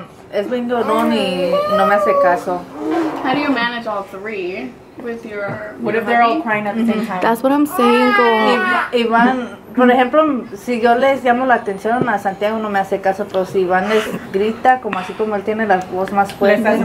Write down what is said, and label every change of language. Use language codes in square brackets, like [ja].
[es] Es bien llorón y no me hace caso. [en] How do you manage all three with your if they're all crying at the same time? That's what I'm saying, girl. [es] Iván, por ejemplo, si yo les llamo la atención a Santiago, no me hace caso, pero si Iván les grita, como así como él tiene la voz más fuerte.